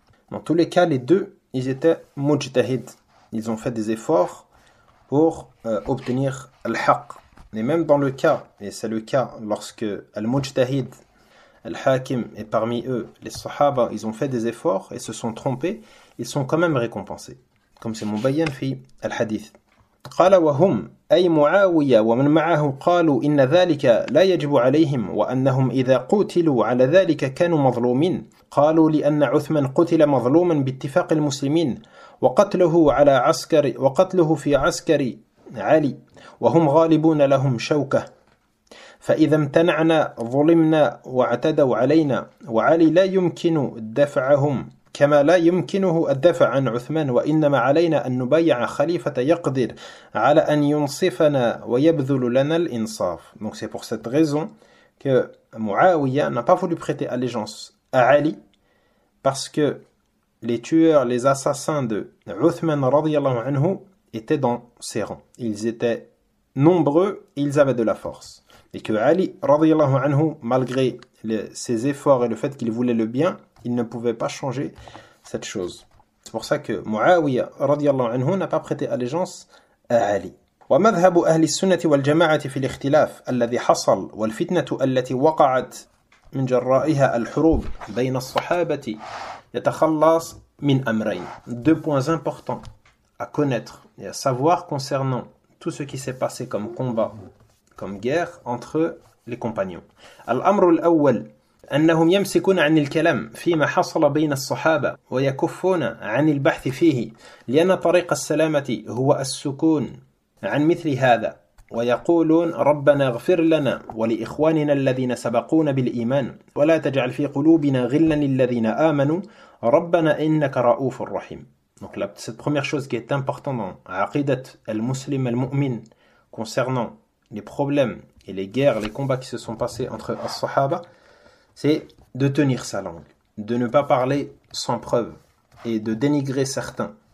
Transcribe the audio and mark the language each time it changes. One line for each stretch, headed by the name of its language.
French: Dans tous les cas, les deux, ils étaient mujtahid. Ils ont fait des efforts pour obtenir al-haq. Et même dans le cas, et c'est le cas lorsque
Arabic: al-mujtahid, al-hakim
French: est parmi eux, les sahaba, ils ont fait des efforts et se sont trompés, ils sont quand même récompensés. Comme c'est
Arabic: mubayyan fi al-hadith. قال وهم أي معاوية ومن معه قالوا إن ذلك لا يجب عليهم وأنهم إذا قتلوا على ذلك كانوا مظلومين قالوا لأن عثمان قتل مظلوما باتفاق المسلمين وقتله على عسكر وقتله في عسكر علي وهم غالبون لهم شوكة فإذا امتنعنا ظلمنا واعتدوا علينا وعلي لا يمكن دفعهم كما لا يمكنه الدفع عن عثمان وإنما علينا أن نبايع خليفة يقدر على أن ينصفنا ويبذل لنا الإنصاف.
French: Donc c'est pour cette raison que Muawiya n'a pas voulu prêter allégeance à Ali parce que les tueurs, les assassins de Uthman radiyallahu anhu étaient dans ses rangs. Ils étaient nombreux, ils avaient de la force. Et que Ali radiyallahu anhu, malgré ses efforts et le fait qu'il voulait le bien, il ne pouvait pas changer cette chose. C'est pour ça que Muawiya radiyallahu anhu n'a pas prêté allégeance à Ali.
Arabic: ومذهب أهل السنة والجماعة في الاختلاف الذي حصل والفتنة التي وقعت من جرائها الحروب بين الصحابة يتخلص من أمرين.
French: Deux points importants à connaître et à savoir concernant tout ce qui s'est passé comme combat, comme guerre entre les compagnons.
Arabic: الأمر الأول أنهم يمسكون عن الكلام فيما حصل بين الصحابة ويكفون عن البحث فيه لأن طريق السلامة هو السكون عن مثل هذا ويقولون ربنا اغفر لنا ولإخواننا الذين سبقونا بالإيمان ولا تجعل في قلوبنا غلا للذين آمنوا ربنا إنك رؤوف رحيم.
French: Donc la cette première chose qui est importante dans l'aqidat al-muslim al-mu'min concernant les problèmes et les guerres, les combats qui se sont passés entre les sahaba, c'est de tenir sa langue, de ne pas parler sans preuve et de dénigrer certains.